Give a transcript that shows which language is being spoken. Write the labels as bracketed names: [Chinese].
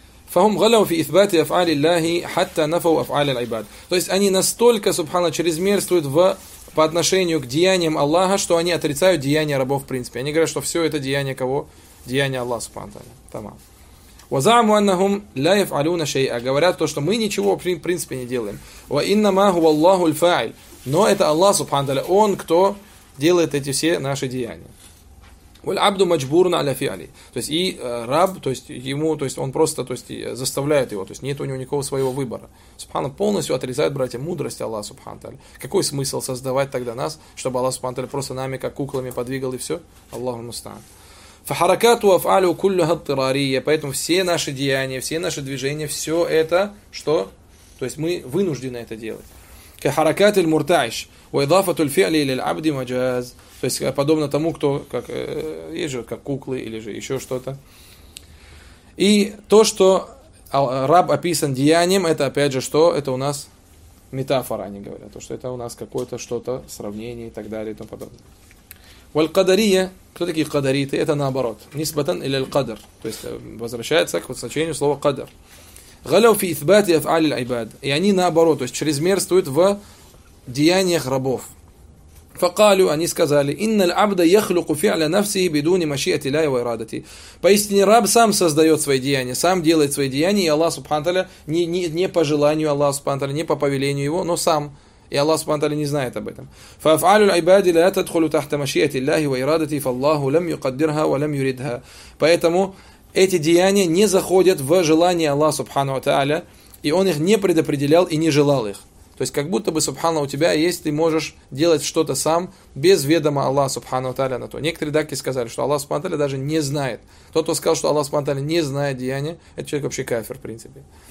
[Arabic] فهم غلوا في إثبات أفعال الله حتى نفوا أفعال العباد. [Russian] То есть они настолько, субханаллах, чрезмерствуют по отношению к деяниям Аллаха, что они отрицают деяния рабов в принципе. Они говорят, что все это деяния кого? Деяния Аллаха, субханаллах. Тамам. [Arabic] وزعموا أنهم لا يفعلون شيئا. [Russian] Говорят то, что мы ничего в принципе не делаем. [Arabic] وإنما هو الله الفاعل. [Russian] Но это Аллах, субханаллах, он кто делает эти все наши деяния. [Arabic] والعبد مجبور على فعله. [Russian] То есть и раб, то есть ему, то есть он просто, то есть заставляет его, то есть нет у него никакого своего выбора. Субхана полностью отрицает, братья, мудрость Аллаха субхана тааля. Какой смысл создавать тогда нас, чтобы Аллах субхана тааля просто нами как куклами подвигал и всё? [Arabic] Аллаху мустаан. فحركاته افعاله كلها اضطراريه. [Russian] Поэтому все наши деяния, все наши движения, всё это что? То есть мы вынуждены это делать. [Arabic] كحركات المرتعش وإضافة الفعل إلى العبد مجاز. [Russian] То есть подобно тому, кто как ежи, как куклы или же еще что-то. И то, что раб описан деянием, это опять же что? Это у нас метафора, они говорят, то что это у нас какое-то что-то сравнение и так далее и тому подобное. Валькадария, кто такие кадариты? Это наоборот. [Arabic] Нисбатан или аль-кадр. [Russian] То есть возвращается к значению слова кадр. [Arabic] Галяу фи итбати афъали аль-ибад. [Russian] И они наоборот, то есть чрезмерствуют в деяниях рабов. [Arabic] فقالوا [Russian] они сказали [Arabic] ان العبد يخلق فعل نفسه بدون مشيئه الله وارادته. [Russian] Поистине раб сам создает свои деяния, сам делает свои деяния, и Аллах субхана тааля не по желанию Аллаха субхана тааля, не по повелению его, но сам. И Аллах субхана тааля не знает об этом. [Arabic] فافعال العباد لا تدخل تحت مشيئه الله وارادته فالله لم يقدرها ولم يريدها. [Russian] Поэтому эти деяния не заходят в желание Аллаха субхана тааля, и он их не предопределял и не желал их. То есть, как будто бы, субханна, у тебя есть, ты можешь делать что-то сам, без ведома Аллаха, субханна тааля, на то. Некоторые даки сказали, что Аллах, субханна тааля, даже не знает. Тот, кто сказал, что Аллах, субханна тааля, не знает деяния, это человек вообще кафир, в принципе.